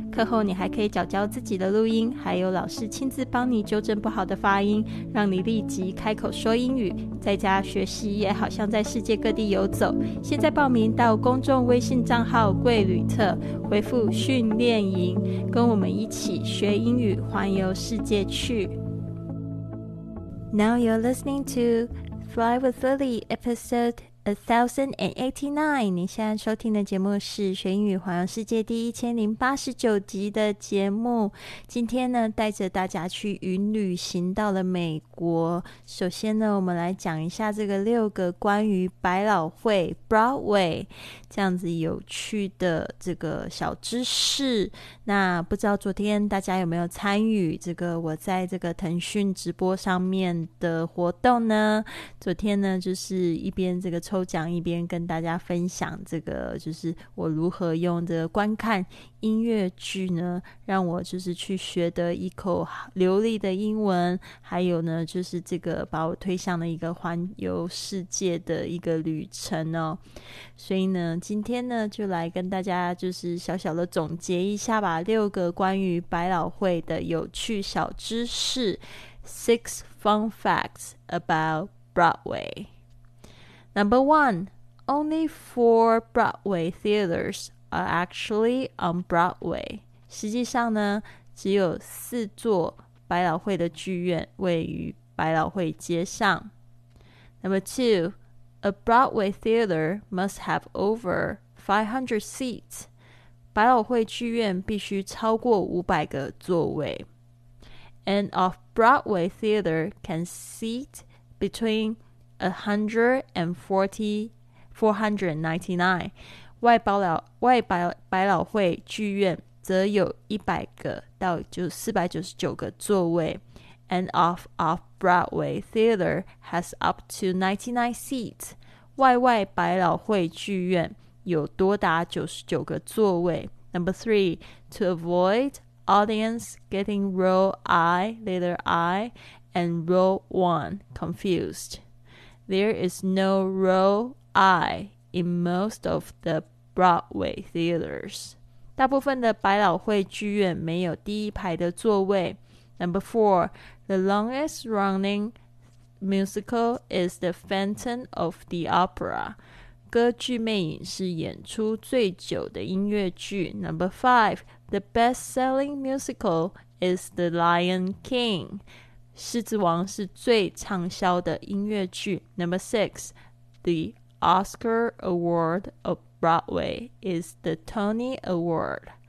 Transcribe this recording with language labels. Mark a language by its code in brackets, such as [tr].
[zh] 课后你还可以矫矫自己的录音，还有老师亲自帮你纠正不好的发音，让你立即开口说英语。在家学习也好像在世界各地游走。现在报名到公众微信账号“贵旅特”，回复“训练营”，跟我们一起学英语，环游世界去。 [en] Now you're listening to Fly with Lily, episode 1089. [zh] 您现在收听的节目是学英语环游世界第1089集的节目。今天呢，带着大家去云旅行到了美国。首先呢，我们来讲一下这个六个关于百老汇 Broadway 这样子有趣的这个小知识。那不知道昨天大家有没有参与这个我在这个腾讯直播上面的活动呢？昨天呢，就是一边这个抽奖，一边跟大家分享这个，就是我如何用这个观看音乐剧呢，让我就是去学得一口流利的英文，还有呢，就是这个把我推向了一个环游世界的一个旅程哦。所以呢，今天呢，就来跟大家就是小小的总结一下吧，六个关于百老汇的有趣小知识 ， [en] Six fun facts about Broadway. Number one, only 4 Broadway theaters. Are actually on Broadway. [zh] 实际上呢，只有四座百老汇的剧院位于百老汇街上。 [en] Number two, a Broadway theater must have over 500 seats. [zh] 百老汇剧院必须超过500个座位。 [en] An off-Broadway theater can seat between 100 and 499. [zh] 外百老汇剧院则有100个到499个座位。 [en] And off-Broadway theater has up to 99 seats. [zh] 外百老汇剧院有多达99个座位。 [en] Number three, to avoid audience getting row I, letter I, and row one confused. There is no row I in most of the Broadway theaters. [zh] 大部分的百老汇剧院没有第一排的座位。 [en] Number four, the longest running musical is The Phantom of the Opera. [zh] 歌剧魅影是演出最久的音乐剧。 [en] Number five, the best-selling musical is The Lion King. [zh] 狮子王是最畅销的音乐剧。 [en] Number six, the Oscar Award of Broadway is the Tony Award.